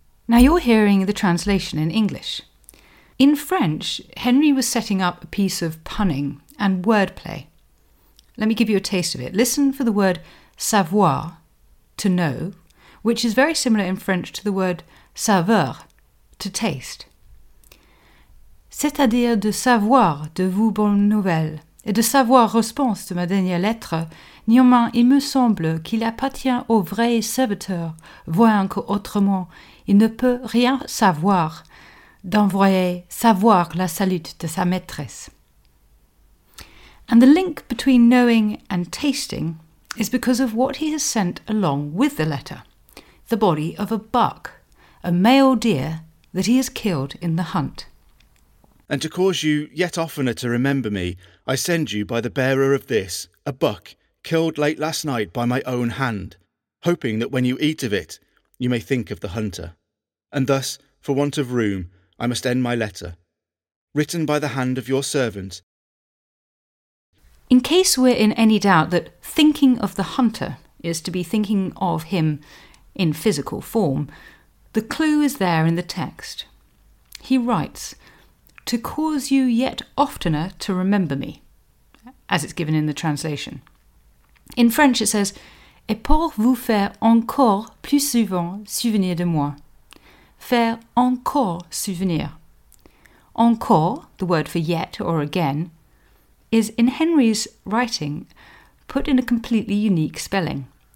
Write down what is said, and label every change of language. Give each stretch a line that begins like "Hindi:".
English: Now you're hearing the translation in English. In French, Henry was setting up a piece of punning and wordplay. Let me give you a taste of it. Listen for the word savoir, to know, which is very similar in French to the word saveur, to taste.
French: C'est-à-dire de savoir de vos bonnes nouvelles et de savoir réponse de ma dernière lettre, néanmoins il me semble qu'il appartient au vrai serviteur, voire qu'autrement il ne peut rien savoir. D'envoyer savoir la salut de sa maîtresse.
English: And the link between knowing and tasting is because of what he has sent along with the letter, the body of a buck, a male deer that he has killed in the hunt. And to cause you yet oftener to remember me, I send you by the bearer of this, a buck, killed late last night by my own hand, hoping that when you eat of it, you may think of the hunter. And thus, for want of room, I must end my letter, written by the hand of your servant. In case we're in any doubt that thinking of the hunter is to be thinking of him in physical form, the clue is there in the text. He writes, to cause you yet oftener to remember me, as it's given in the translation. In French it says,
French: et pour vous faire encore plus souvent souvenir de moi. Faire encore souvenir.
English: Encore, the word for yet or again, is in Henry's writing put in a completely unique spelling.